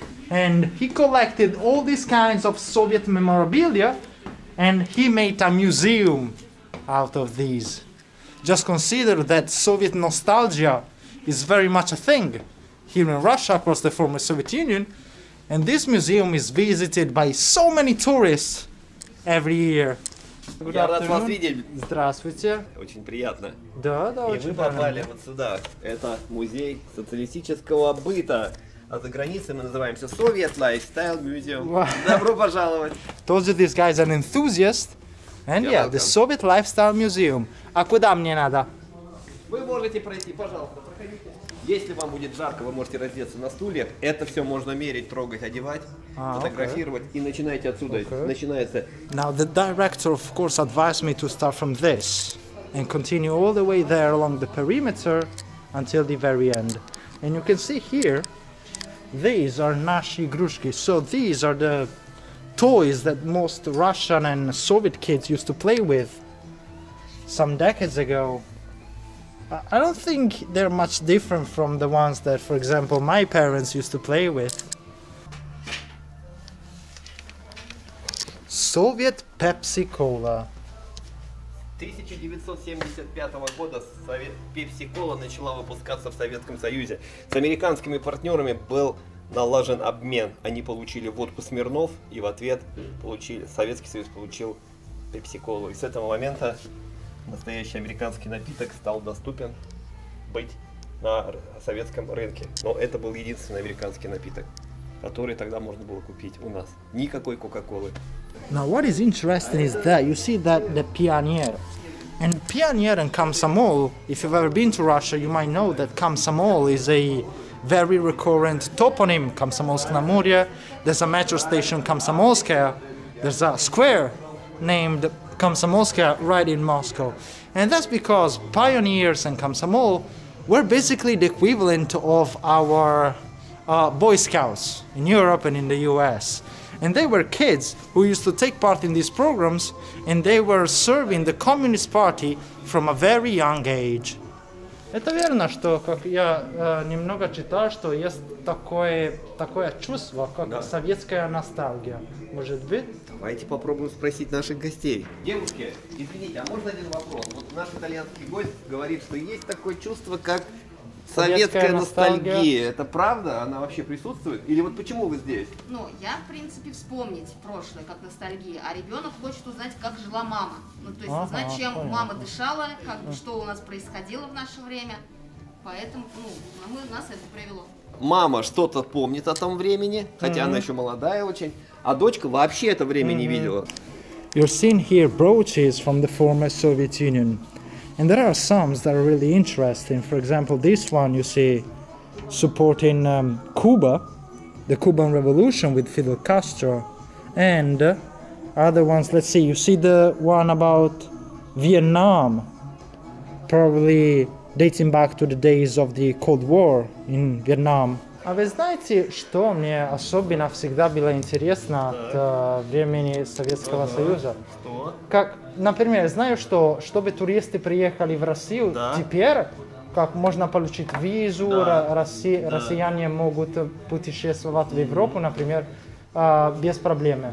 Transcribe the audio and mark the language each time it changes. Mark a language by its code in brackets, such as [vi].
[en] And he collected all these kinds of Soviet memorabilia and he made a museum out of these. Just consider that Soviet nostalgia is very much a thing here in Russia, across the former Soviet Union, and this museum is visited by so many tourists every year. Good afternoon. [ru] Рад вас видеть. Здравствуйте. Очень приятно. Да, да, и очень приятно. И вы попали вот сюда. Это музей социалистического быта. А за границей мы называемся Soviet Lifestyle Museum. Wow. Добро пожаловать. [en] Told you this guy is an enthusiast. And yeah, welcome. The Soviet Lifestyle Museum. [ru] А куда мне надо? Вы можете пройти, пожалуйста, проходите. Если вам будет жарко, вы можете раздеться на стуле. Это все можно мерить, трогать, одевать, фотографировать. Okay. И начинайте отсюда. Okay. Начинается. [en] Now the director, of course, advised me to start from this and continue all the way there along the perimeter until the very end. And you can see here, these are [ru] наши игрушки. [en] So these are the toys that most Russian and Soviet kids used to play with some decades ago. I don't think they're much different from the ones that, for example, my parents used to play with. Soviet Pepsi Cola. [ru] 1975 года Soviet Pepsi Cola начала выпускаться в Советском Союзе. С американскими партнерами был налажен обмен. Они получили водку Смирнов и в ответ получили, Советский Союз получил Pepsi Cola. И с этого момента настоящий американский напиток стал доступен быть на советском рынке. Но это был единственный американский напиток, который тогда можно было купить у нас. Никакой Кока-Колы. [en] Now what is interesting is that you see that the Pioneer. And Pioneer and Komsomol, if you've ever been to Russia, you might know that Komsomol is a very recurrent toponym. Komsomolsk-na-Amuria. There's a metro station Komsomolskaya. There's a square named Komsomolskaya right in Moscow. And that's because Pioneers and Komsomol were basically the equivalent of our Boy Scouts in Europe and in the US. And they were kids who used to take part in these programs and they were serving the Communist Party from a very young age. [ru] Это верно, что как я немного читал, что есть такое чувство, как да. Советская ностальгия. Может быть? Давайте попробуем спросить наших гостей. Девушки, извините, а можно один вопрос? Вот наш итальянский гость говорит, что есть такое чувство, как советская ностальгия. Это правда? Она вообще присутствует? Или вот почему вы здесь? Ну, я, в принципе, вспомнить прошлое как ностальгия, а ребенок хочет узнать, как жила мама. Ну, то есть, узнать, чем мама дышала, как, что у нас происходило в наше время. Поэтому, ну, нас это привело. Мама что-то помнит о том времени, хотя она еще молодая очень, а дочка вообще это время не видела. [en] You're seeing here brooches from the former Soviet Union. And there are some that are really interesting. For example, this one you see supporting Cuba, the Cuban Revolution with Fidel Castro. And other ones, let's see, you see the one about Vietnam, probably dating back to the days of the Cold War in Vietnam. [ru] А вы знаете, что мне особенно всегда было интересно от времени Советского Союза? Как, например, знаю, что чтобы туристы приехали в Россию, теперь как можно получить визу, россияне могут путешествовать в Европу, например, без проблемы.